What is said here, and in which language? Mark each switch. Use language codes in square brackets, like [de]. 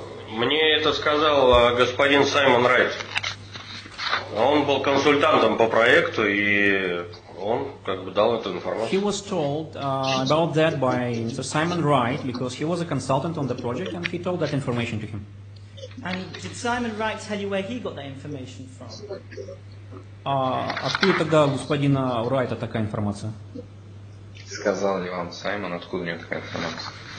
[ru] Мне это сказал господин Саймон Райт. Он был консультантом по проекту, и он как бы дал эту информацию. [en] He was told about that by Mr. Simon Wright, because he was a consultant on the project, and he told that information to him. And did Simon Wright tell you where he got that information from? [ru] Откуда тогда господина Райта такая информация? Сказал ли вам Саймон, откуда у него такая информация?